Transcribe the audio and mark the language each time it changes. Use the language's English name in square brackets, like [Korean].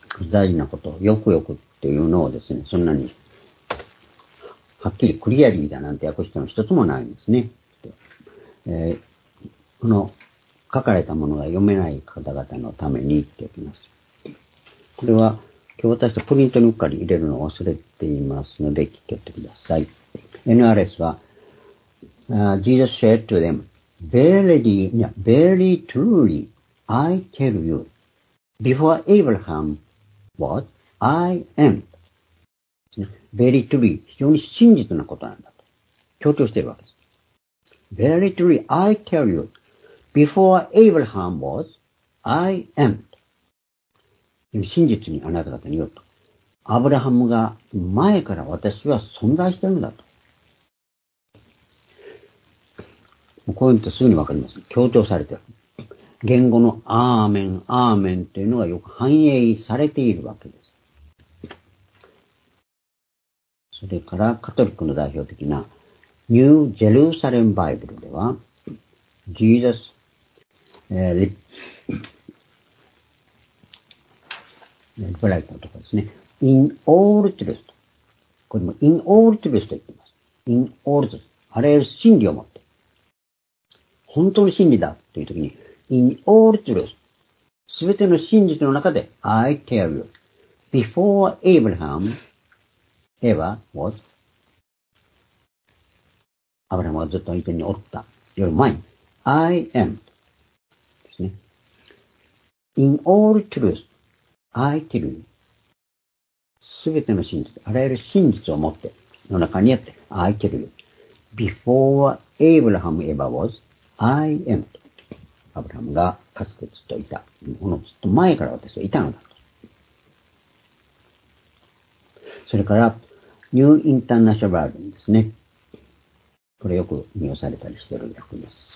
[Japanese] 大事なこと、よくよくっていうのをですね、そんなに、はっきりクリアリーだなんて訳しても一つもないんですね。この書かれたものが読めない方々のためにって言います。これは今日私とプリントにうっかり入れるのを忘れていますので聞けてください。 [English] NRS は、Jesus said to them, Verily, truly, I tell you, before Abraham was, I am. Very truly, [Japanese] 非常に真実なことなんだと強調しているわけです。 [English] Very truly, I tell you, before Abraham was, I am. [Japanese] 真実にあなた方に言うと。アブラハムが前から私は存在しているんだと。こういうのとすぐにわかります。強調されている。言語のアーメン、アーメンというのがよく反映されているわけです。それからカトリックの代表的なニュー・ジェルサレム・バイブルでは、 [English] Jesus replied [Japanese] とかですね、 [English] In all truth、 [Japanese] これも In all truth と言っています。 [English] In all truth、 [Japanese] あらゆる真理を持って、本当の真理だというときに、In all truth、すべての真実の中で、 [English] I tell you, before Abraham ever was、 [Japanese] アブラハムはずっと以前におったより前に、 [English] I am [Japanese] ですね。 [English] In all truth, I tell you, [Japanese] すべての真実、あらゆる真実を持って、の中にあって、 [English] I tell you, before Abraham ever was, I am。 [Japanese] アブラハムがかつてずっといた。このずっと前から私はいたのだと。それから、ニューインターナショナルですね。これよく見用されたりしている訳です。